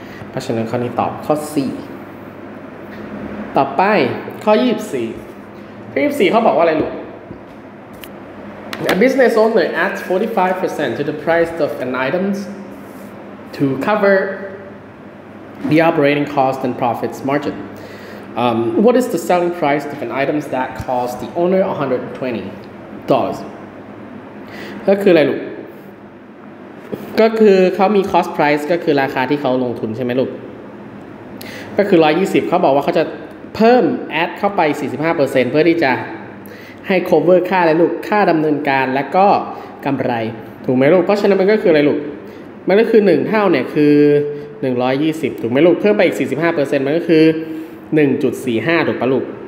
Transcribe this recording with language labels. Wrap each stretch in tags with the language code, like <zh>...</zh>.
<th>เพราะฉะนั้นข้อนี้ตอบข้อ4ต่อไปข้อ24ข้อ24เขาบอกว่าอะไรลูก</th> <en>A business owner adds 45% to the price of an item to coverThe operating cost and profits margin. What is the selling price of an item that costs the owner $120?</en> <th>ก็คืออะไรลูกก็คือเขามี cost price ก็คือราคาที่เขาลงทุนใช่ไหมลูกก็คือ120เขาบอกว่าเขาจะเพิ่ม add เข้าไป 45% เพื่อที่จะให้ cover ค่าอะไรลูกค่าดำเนินการและก็กำไรถูกไหมลูกเพราะฉะนั้นมันก็คืออะไรลูกมันก็คือ1เท่าเนี่ยคือ120ถูกไหมลูกเพิ่มไปอีก 45% มันก็คือ 1.45 ถูกปะลูก</th>